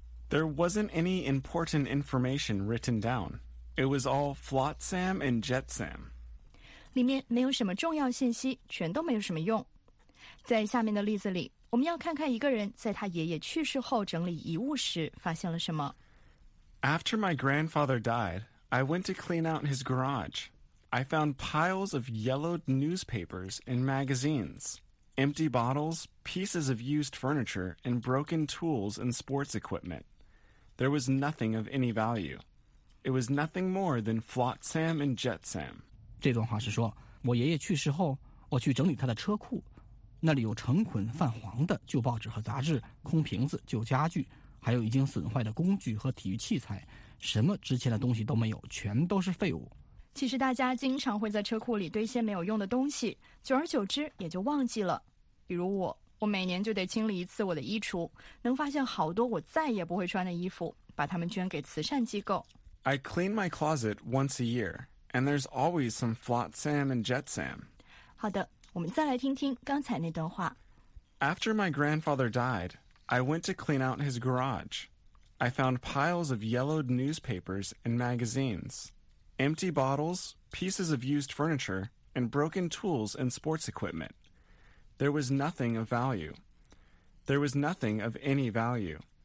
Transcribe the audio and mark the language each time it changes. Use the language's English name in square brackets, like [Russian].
[English] There wasn't any important information written down. It was all flotsam and jetsam. [Chinese] 里面没有什么重要信息，全都没有什么用。在下面的例子里，我们要看看一个人在他爷爷去世后整理遗物时发现了什么。 [English] After my grandfather died, I went to clean out his garage. I found piles of yellowed newspapers and magazines, empty bottles, pieces of used furniture, and broken tools and sports equipment. There was nothing of any value. It was nothing more than flotsam and jetsam. [Chinese] 这段话是说，我爷爷去世后，我去整理他的车库，那里有成捆泛黄的旧报纸和杂志，空瓶子，旧家具，还有已经损坏的工具和体育器材，什么值钱的东西都没有，全都是废物。其实大家经常会在车库里堆些没有用的东西，久而久之也就忘记了。比如我，我每年就得清理一次我的衣橱，能发现好多我再也不会穿的衣服，把它们捐给慈善机构。 [English] I clean my closet once a year, and there's always some flotsam and jetsam. [Chinese] 好的，我们再来听听刚才那段话。 [English] After my grandfather died, I went to clean out his garage. I found piles of yellowed newspapers and magazines, empty bottles, pieces of used furniture, and broken tools and sports equipment. There was nothing of value. There was nothing of any value.